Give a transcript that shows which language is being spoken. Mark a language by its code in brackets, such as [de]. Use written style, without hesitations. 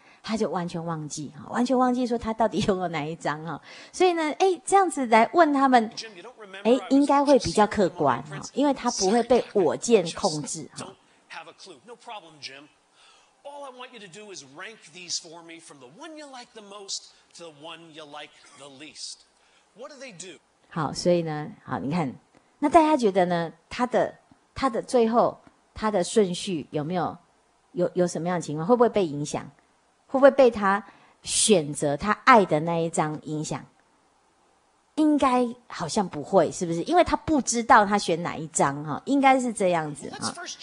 [zh] 他就完全忘记说他到底拥有哪一张哈，所以呢，这样子来问他们，应该会比较客观哈，因为他不会被我见控制哈。 [en] Have a clue. No problem, Jim. All I want you to do is rank these for me from the one you like the most to the one you like the least. What do they do? [zh] 好，所以呢，好，你看，那大家觉得呢？他的最后他的顺序有没有有什么样的情况？会不会被影响？会不会被他选择他爱的那一张影响？应该好像不会，是不是？因为他不知道他选哪一张哈，应该是这样子哈。